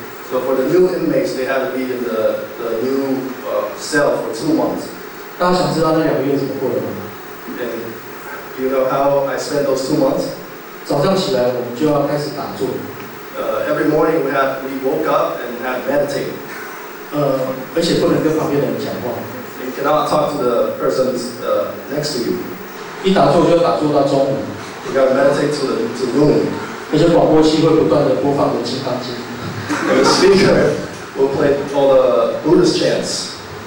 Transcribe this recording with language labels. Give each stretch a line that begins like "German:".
English: So for the new inmates, they had to be in the new cell for 2 months.
Chinese: 大家想知道那两个月怎么过的吗？
English: And you know how I spent those 2 months?
Chinese: 早上起来我们就要开始打坐。
English: Every morning we woke up and had meditating.
Chinese: 而且不能跟旁边的人讲话。
English: You cannot talk to the persons next to you.
Chinese: 一打坐就要打坐到中午。
English: You gotta meditate to the noon.
Chinese: 那些广播器会不断地播放的金刚经。
English: And the speaker will play all the Buddhist chants.